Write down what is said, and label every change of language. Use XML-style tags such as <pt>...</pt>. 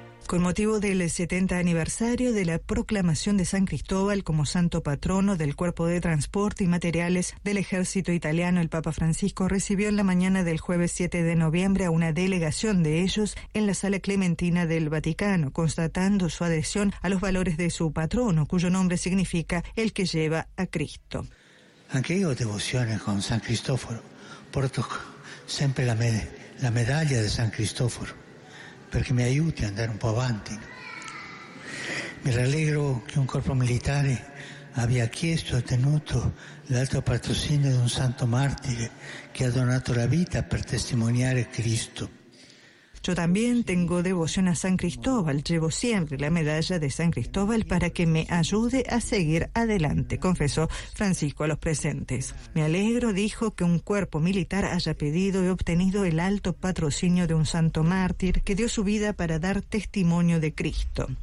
<es>Con motivo del 70 aniversario de la proclamación de San Cristóbal como santo patrono del Cuerpo de Transporte y Materiales del Ejército Italiano, el Papa Francisco recibió en la mañana del jueves 7 de noviembre a una delegación de ellos en la Sala Clementina del Vaticano, constatando su adhesión a los valores de su patrono, cuyo nombre significa el que lleva a Cristo. Aunque yo devociono con San Cristóforo, porto siempre la medalla de San Cristóforo,</es> <it>perché mi aiuti ad andare un po' avanti. Mi rallegro che un corpo militare abbia chiesto e ottenuto l'alto patrocinio di un santo martire che ha donato la vita per testimoniare Cristo.</it> <es>Yo también tengo devoción a San Cristóbal, llevo siempre la medalla de San Cristóbal para que me ayude a seguir adelante, confesó Francisco a los presentes. Me alegro, dijo, que un cuerpo militar haya pedido y obtenido el alto patrocinio de un santo mártir que dio su vida para dar testimonio de Cristo.</es>